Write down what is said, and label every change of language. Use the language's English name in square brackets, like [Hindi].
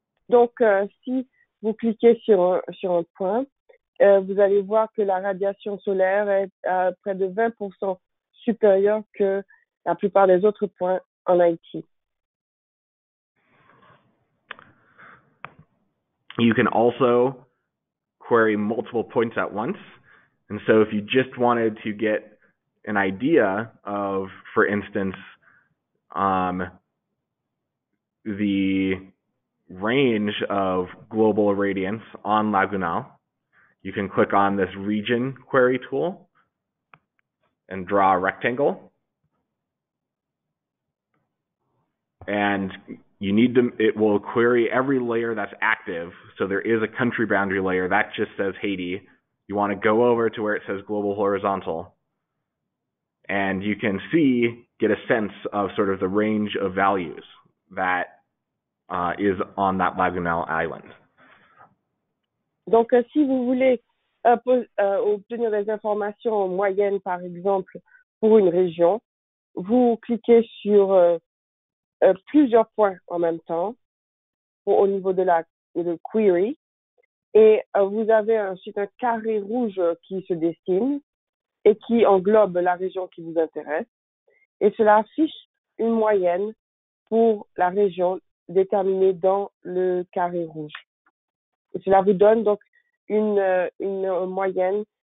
[French] Donc, si vous cliquez sur un point, vous allez voir que la radiation solaire est à près de 20% supérieure que la plupart des autres points en Haïti. [English] You can also query multiple points at once. And so if you just wanted to get an idea of, for instance, the range of global radiance on Laguna, you can click on this region query tool and draw a rectangle. And you need to, it will query every layer that's active. So there is a country boundary layer that just says Haiti. You want to go over to where it says global horizontal. And you can see, get a sense of sort of the range of values that is on that Lagunel island. [French] Donc, si vous voulez obtenir des informations moyennes, par exemple, pour une région, vous cliquez sur plusieurs points en même temps au niveau de la query, et vous avez ensuite un carré rouge qui se dessine et qui englobe la région qui vous intéresse, et cela affiche une moyenne pour la région déterminée dans le carré rouge. Et cela vous donne donc une moyenne